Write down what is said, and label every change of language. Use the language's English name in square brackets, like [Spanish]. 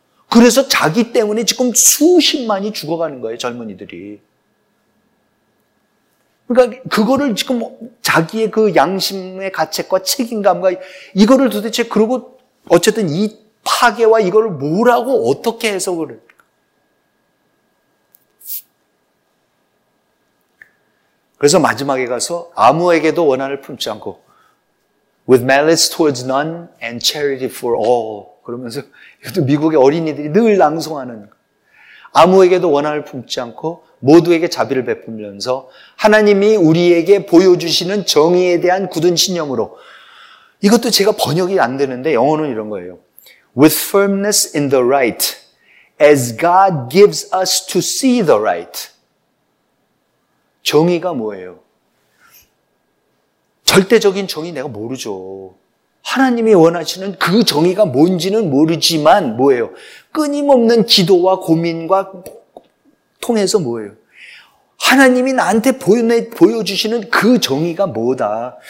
[Korean] 그래서 자기 때문에 지금 수십만이 죽어가는 거예요, 젊은이들이. 그러니까 그거를 지금 자기의 그 양심의 가책과 책임감과 이거를 도대체 그러고 어쨌든 이 파괴와 이걸 뭐라고 어떻게 해석을 할까? 그래서 마지막에 가서 아무에게도 원한을 품지 않고 [English] With malice towards none and charity for all. [Korean] 그러면서 이것도 미국의 어린이들이 늘 낭송하는 아무에게도 원한을 품지 않고 모두에게 자비를 베풀면서 하나님이 우리에게 보여주시는 정의에 대한 굳은 신념으로 이것도 제가 번역이 안 되는데 영어는 이런 거예요. [English] With firmness in the right as God gives us to see the right. [Korean] 정의가 뭐예요? 절대적인 정의 내가 모르죠. 하나님이 원하시는 그 정의가 뭔지는 모르지만 뭐예요? 끊임없는 기도와 고민과 통해서 뭐예요? 하나님이 나한테 보여주시는 그 정의가 뭐다?